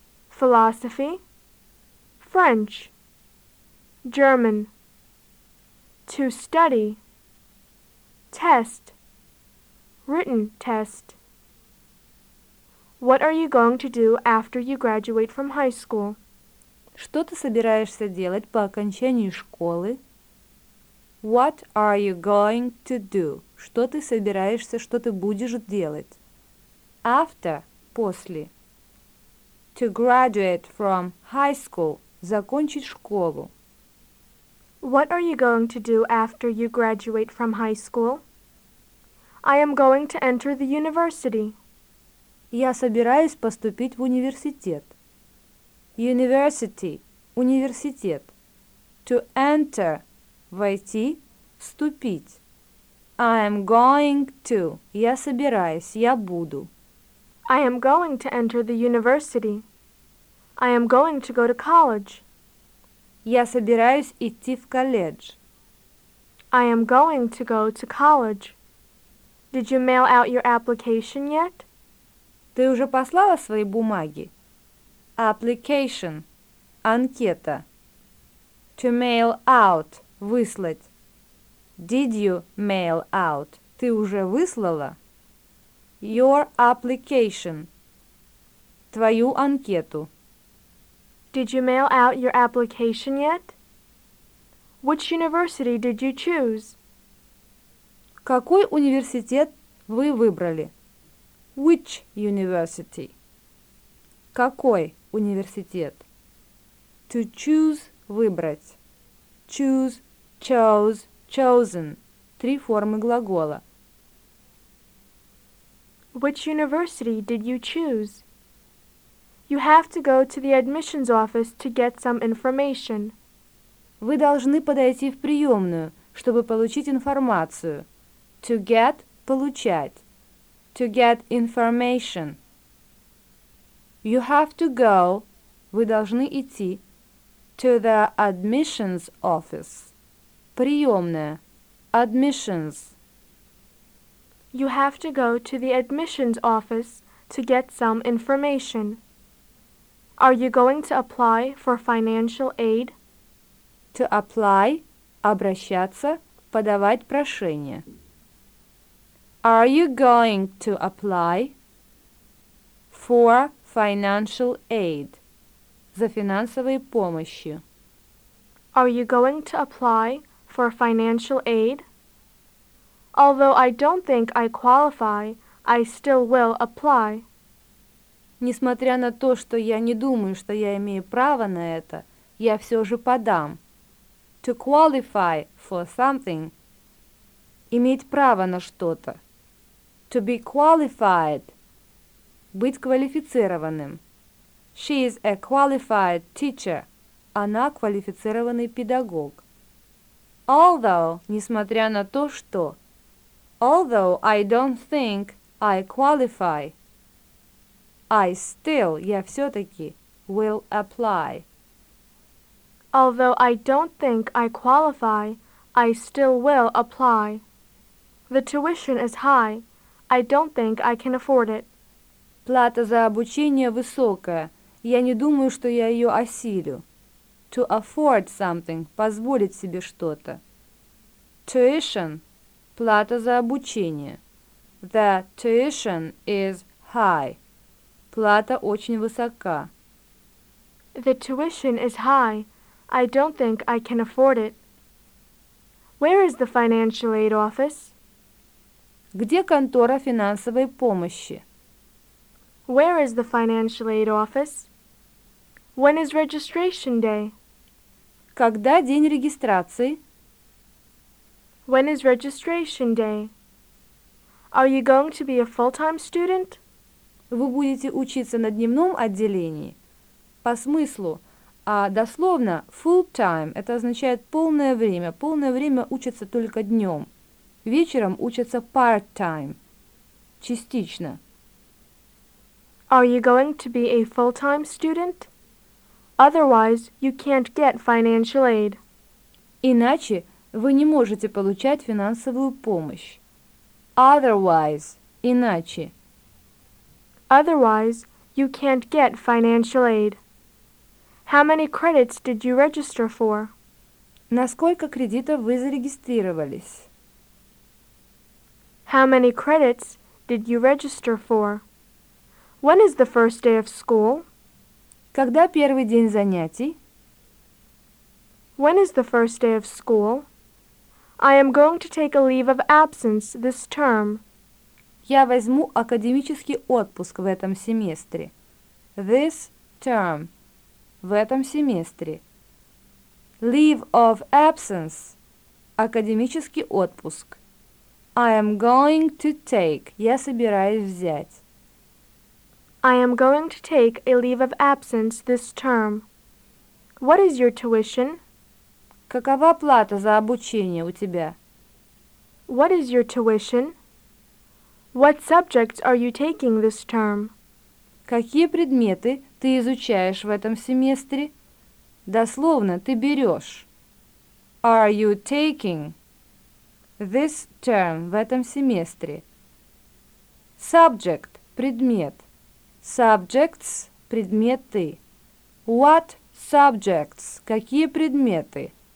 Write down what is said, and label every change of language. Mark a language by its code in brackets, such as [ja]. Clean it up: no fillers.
[en] philosophy, French, German, to study, test, written test. What are you going to do after you graduate from high school? [ru] Что ты собираешься делать по окончании школы? [en] What are you going to do? [ru] Что ты собираешься, что ты будешь делать? [en] After, [ru] после. [en] To graduate from high school, [ru] закончить школу. [en] What are you going to do after you graduate from high school? I am going to enter the university. [ru] Я собираюсь поступить в университет. [en] University, [ru] университет. [en] To enter, [ru] войти, вступить. [en] I am going to, [ru] я собираюсь, я буду. [en] I am going to enter the university. I am going to go to college. [ru] Я собираюсь идти в колледж. [en] I am going to go to college. Did you mail out your application yet? [ru] Ты уже послала свои бумаги? [en] Application. [ru] Анкета. [en] To mail out. [ru] Выслать. [en] Did you mail out? [ru] Ты уже выслала? [en] Your application. [ru] Твою анкету. [en] Did you mail out your application yet? Which university did you choose? [ru] Какой университет вы выбрали? [en] Which university? [ru] Какой университет? [en] To choose, [ru] выбрать. [en] Choose, chose, chosen. [ru] Три формы глагола. [en] Which university did you choose? You have to go to the admissions office to get some information. [ru] Вы должны подойти в приемную, чтобы получить информацию. [en] To get – [ru] получать. [en] To get information. You have to go – [ru] вы должны идти. [en] To the admissions office. [ru] Приемная. [en] Admissions. You have to go to the admissions office to get some information. Are you going to apply for financial aid? To apply [ru] – обращаться, подавать прошение. [en] Are you going to apply for financial aid? [ru] За финансовой помощью. [en] Are you going to apply for financial aid? Although I don't think I qualify, I still will apply. [ru] Несмотря на то, что я не думаю, что я имею право на это, я все же подам. [en] To qualify for something. [ru] Иметь право на что-то. [en] To be qualified. [ru] Быть квалифицированным. [en] She is a qualified teacher. [ru] Она квалифицированный педагог. [en] Although, [ru] несмотря на то, что. [en] Although I don't think I qualify. I still, [ru] я все-таки, [en] will apply. Although I don't think I qualify, I still will apply. The tuition is high. I don't think I can afford it. [ru] Плата за обучение высокая. Я не думаю, что я ее осилю. [en] To afford something, [ru] позволить себе что-то. [en] Tuition, [ru] плата за обучение. [en] The tuition is high. [ru] Плата очень высока. [en] The tuition is high. I don't think I can afford it. Where is the financial aid office? [ru] Где контора финансовой помощи? [en] Where is the financial aid office? When is registration day? [ru] Когда день регистрации? [en] When is registration day? Are you going to be a full-time student? [ru] Вы будете учиться на дневном отделении? По смыслу, а дословно [en] full time [ru] – это означает полное время. Полное время учатся только днем. Вечером учатся [en] part time [ru] – частично. [en] Are you going to be a full-time student? Otherwise, you can't get financial aid. [ru] Иначе вы не можете получать финансовую помощь. [en] Otherwise, [ru] иначе. [en] Otherwise, you can't get financial aid. How many credits did you register for? [ru] На сколько кредитов вы зарегистрировались? [en] How many credits did you register for? When is the first day of school? [ru] Когда первый день занятий? [en] When is the first day of school? I am going to take a leave of absence this term. [ru] Я возьму академический отпуск в этом семестре. [en] This term. [ru] В этом семестре. [en] Leave of absence. [ru] Академический отпуск. [en] I am going to take. [ru] Я собираюсь взять. [en] I am going to take a leave of absence this term. What is your tuition? [ru] Какова плата за обучение у тебя? [en] What is your tuition? What subjects are you taking this term? [ru] Какие предметы ты изучаешь в этом семестре? Дословно, ты берешь. [en] Are you taking this term [ru] в этом семестре? [en] Subject – [ru] предмет. [en] Subjects – [ru] предметы. [en] What subjects – [ru] какие предметы?